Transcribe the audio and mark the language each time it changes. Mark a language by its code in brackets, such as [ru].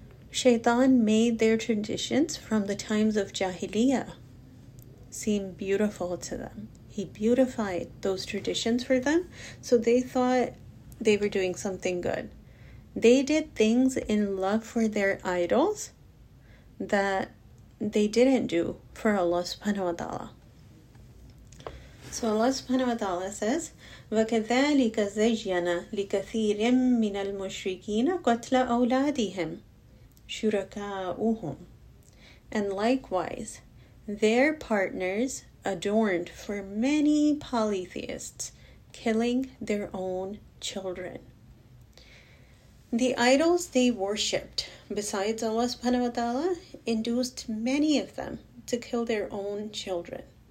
[en] Shaitan made their traditions from the times of Jahiliyyah seem beautiful to them. He beautified those traditions for them, so they thought they were doing something good. They did things in love for their idols that they didn't do for Allah subhanahu wa ta'ala. So Allah subhanahu wa ta'ala says, [ar] وَكَذَلِكَ زَيَّنَ لِكَثِيرٍ مِّنَ الْمُشْرِكِينَ قَتْلَ أَوْلَادِهِمْ شُرَكَاءُهُمْ. [en] And likewise, their partners adorned for many polytheists killing their own children. The idols they worshipped besides Allah subhanahu wa ta'ala induced many of them to kill their own children.